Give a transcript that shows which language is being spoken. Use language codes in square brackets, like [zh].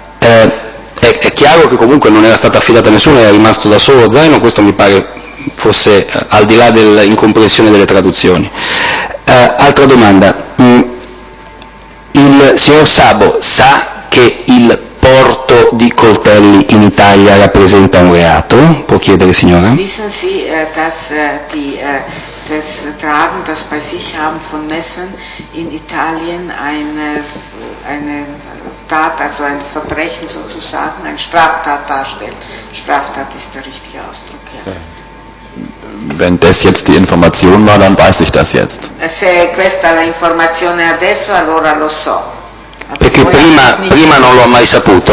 [it] È chiaro che comunque non era stata affidata a nessuno, era rimasto da solo zaino, questo mi pare fosse al di là dell'incomprensione delle traduzioni. Altra domanda, il signor Sabo sa che il porto di coltelli in Italia rappresenta un reato? Può chiedere, signora? [de] Wissen Sie, dass die das Tragen, das bei sich haben von Messern in Italien eine Tat, also ein Verbrechen sozusagen, eine Straftat darstellt. Straftat ist der richtige Ausdruck, ja. Wenn das jetzt die Information war, dann weiß ich das jetzt. [it] Se questa la informazione adesso, allora lo so. Perché prima non l'ho mai saputo.